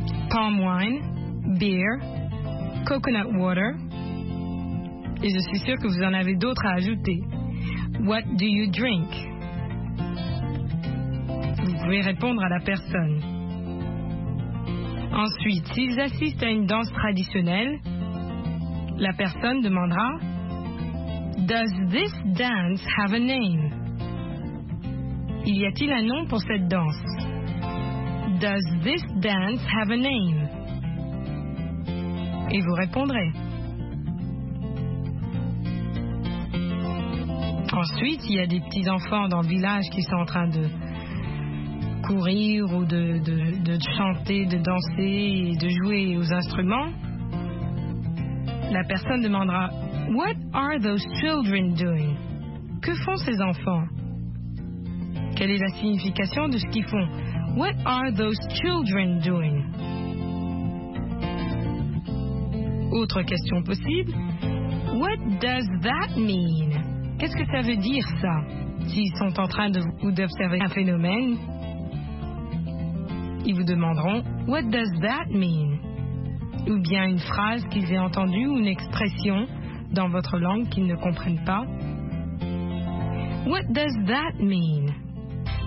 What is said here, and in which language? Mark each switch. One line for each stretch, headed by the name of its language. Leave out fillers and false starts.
English: Palm wine, beer, coconut water.
French: Et je suis sûre que vous en avez d'autres à ajouter.
English: What do you drink?
French: Vous pouvez répondre à la personne. Ensuite, s'ils assistent à une danse traditionnelle, la personne demandera
English: Does this dance have a name?
French: Y a-t-il un nom pour cette danse?
English: Does this dance have a name?
French: Et vous répondrez. Ensuite, il y a des petits-enfants dans le village qui sont en train de courir ou de chanter, de danser et de jouer aux instruments. La personne demandera,
English: What are those children doing?
French: Que font ces enfants? Quelle est la signification de ce qu'ils font?
English: What are those children doing?
French: Autre question possible,
English: What does that mean?
French: Qu'est-ce que ça veut dire, ça, s'ils sont en train de vous observer un phénomène? Ils vous demanderont
English: « What does that mean ?»
French: ou bien une phrase qu'ils aient entendue ou une expression dans votre langue qu'ils ne comprennent pas.
English: « What does that mean ?»